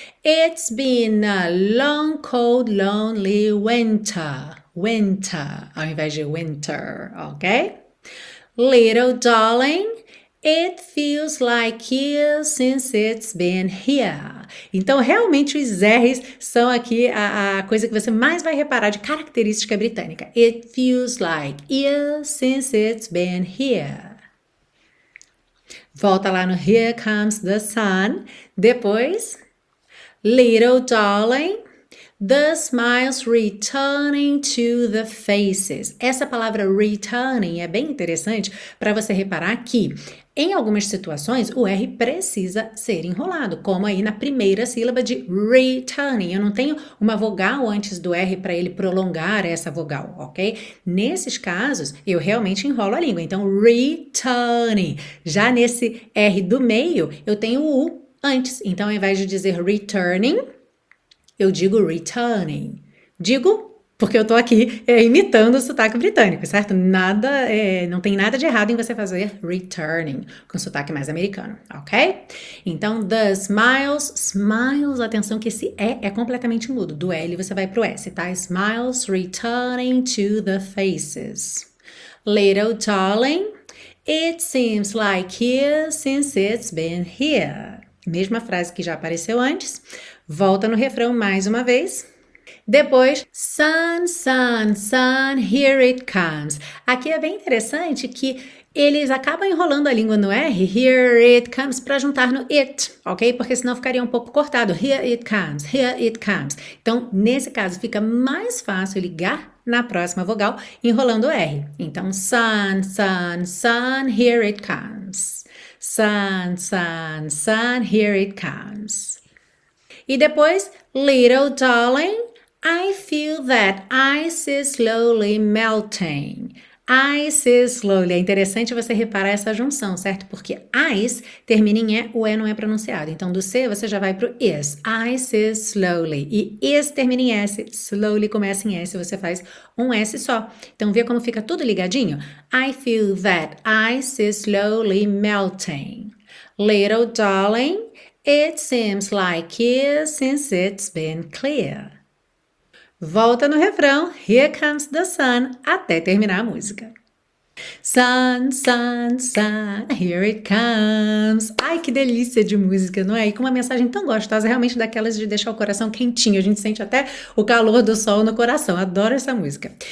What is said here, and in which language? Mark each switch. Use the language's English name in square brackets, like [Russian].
[English] It's been a long, cold, lonely winter. Winter, [Portuguese] ao invés de [English] winter, ok? Little darling, it feels like years since it's been here. [Portuguese] Então, realmente, os R's são aqui a coisa que você mais vai reparar de característica britânica. [English] It feels like years since it's been here. [Portuguese] Volta lá no Here Comes the Sun. Depois, [English] Little Darling, The Smiles Returning to the Faces. [Portuguese] Essa palavra returning é bem interessante para você reparar que, em algumas situações, o R precisa ser enrolado, como aí na primeira sílaba de returning. Eu não tenho uma vogal antes do R para ele prolongar essa vogal, ok? Nesses casos, eu realmente enrolo a língua. Então, returning. Já nesse R do meio, eu tenho o U antes. Então, ao invés de dizer returning, eu digo returning. Digo porque eu tô aqui imitando o sotaque britânico, certo? Nada, não tem nada de errado em você fazer returning com sotaque mais americano, ok? Então, the smiles, atenção que esse é completamente mudo. Do L você vai pro S, tá? [English] Smiles returning to the faces. Little darling, it seems like years since it's been here. [Portuguese] Mesma frase que já apareceu antes. Volta no refrão mais uma vez. Depois, [English] sun, sun, sun, here it comes. [Portuguese] Aqui é bem interessante que eles acabam enrolando a língua no R, [English] here it comes, [Portuguese] para juntar no it, ok? Porque senão ficaria um pouco cortado. [English] Here it comes, here it comes. [Portuguese] Então, nesse caso, fica mais fácil ligar na próxima vogal enrolando o R. [English] Então, sun, sun, sun, here it comes. Sun, sun, sun, here it comes. [Portuguese] E depois, [English] little darling, I feel that ice is slowly melting. Ice is slowly. [Portuguese] É interessante você reparar essa junção, certo? Porque ice termina em e, o e não é pronunciado. Então, do c você já vai para o is. [English] Ice is slowly. [Portuguese] E is termina em s. Slowly começa em s. Você faz um s só. Então, vê como fica tudo ligadinho. [English] I feel that ice is slowly melting. Little darling, it seems like years since it's been clear. [Portuguese] Volta no refrão, Here Comes the Sun, até terminar a música. [English] Sun, sun, sun, here it comes. [Portuguese] Ai, que delícia de música, não é? E com uma mensagem tão gostosa, realmente daquelas de deixar o coração quentinho. A gente sente até o calor do sol no coração. Adoro essa música.